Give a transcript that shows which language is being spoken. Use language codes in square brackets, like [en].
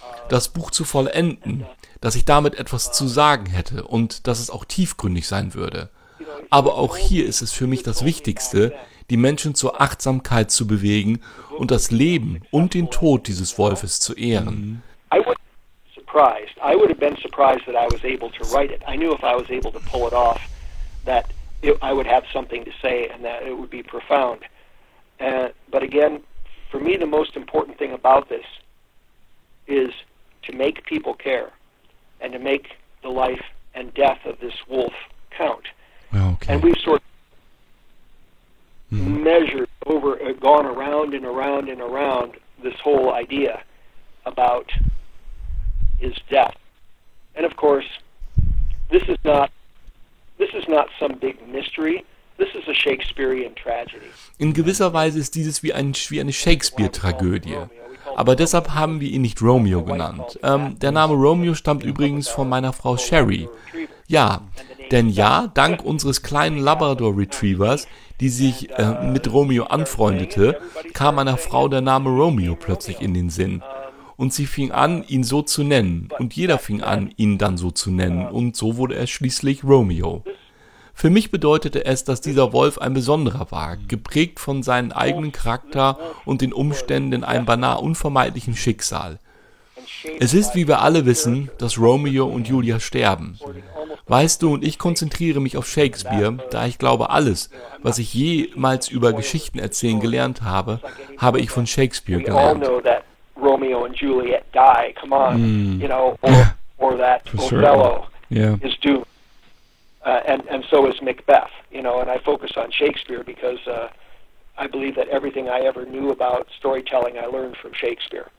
[de] das Buch zu vollenden, dass ich damit etwas zu sagen hätte und dass es auch tiefgründig sein würde. Aber auch hier ist es für mich das Wichtigste, die Menschen zur Achtsamkeit zu bewegen und das Leben und den Tod dieses Wolfes zu ehren. [en] I would have been surprised that I was able to write it. I knew if I was able to pull it off, that I would have something to say and that it would be profound. But again, for me, the most important thing about this is to make people care and to make the life and death of this wolf count. Okay. And we've sort of measured over, gone around and around and around this whole idea about his death. And of course, this is not some big mystery. This is a Shakespearean tragedy. [de] In gewisser Weise ist dieses wie eine Shakespeare-Tragödie. Aber deshalb haben wir ihn nicht Romeo genannt. Der Name Romeo stammt übrigens von meiner Frau Sherry. Ja, denn ja, dank unseres kleinen Labrador-Retrievers, die sich mit Romeo anfreundete, kam meiner Frau der Name Romeo plötzlich in den Sinn. Und sie fing an, ihn so zu nennen. Und jeder fing an, ihn dann so zu nennen. Und so wurde er schließlich Romeo. Für mich bedeutete es, dass dieser Wolf ein besonderer war, geprägt von seinem eigenen Charakter und den Umständen in einem beinahe unvermeidlichen Schicksal. Es ist, wie wir alle wissen, dass Romeo und Julia sterben. Weißt du, und ich konzentriere mich auf Shakespeare, da ich glaube, alles, was ich jemals über Geschichten erzählen gelernt habe, habe ich von Shakespeare gelernt. [en] Romeo and Juliet die, come on, you know, or that Othello is doomed. And so is Macbeth, you know, and I focus on Shakespeare because I believe that everything I ever knew about storytelling I learned from Shakespeare.